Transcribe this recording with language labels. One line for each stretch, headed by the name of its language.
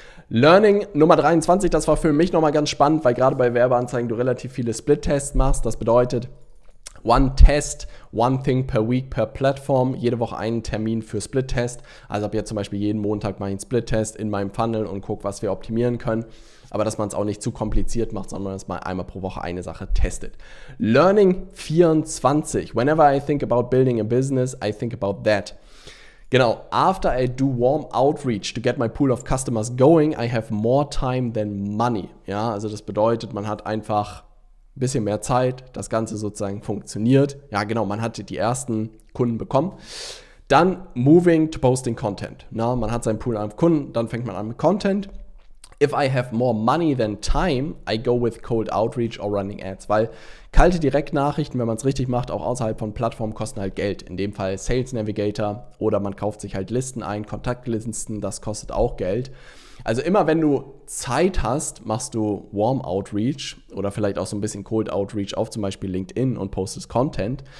German: Learning Nummer 23, das war für mich nochmal ganz spannend, weil gerade bei Werbeanzeigen du relativ viele Split-Tests machst. Das bedeutet,
English: one test, one thing per week per
German: Plattform, jede Woche einen Termin für Split-Test. Also ab jetzt zum Beispiel jeden Montag mache ich einen Split-Test in meinem Funnel und gucke, was wir optimieren können. Aber dass man es auch nicht zu kompliziert macht, sondern dass man einmal pro Woche eine Sache testet.
English: Learning 24, whenever I think about building a business, I think about that.
German: Genau,
English: after I do warm outreach to get my pool of customers going, I have more time than money.
German: Ja, also das bedeutet, man hat einfach bisschen mehr Zeit, das Ganze sozusagen funktioniert. Ja, genau, man hat die ersten Kunden bekommen. Dann
English: moving to posting content.
German: Na, man hat seinen Pool an Kunden, dann fängt man an mit Content.
English: If I have more money than time, I go with cold outreach or running ads.
German: Weil kalte Direktnachrichten, wenn man es richtig macht, auch außerhalb von Plattformen, kosten halt Geld. In dem Fall Sales Navigator oder man kauft sich halt Listen ein, Kontaktlisten, das kostet auch Geld. Also immer wenn du Zeit hast, machst du Warm Outreach oder vielleicht auch so ein bisschen Cold Outreach auf zum Beispiel LinkedIn und postest Content.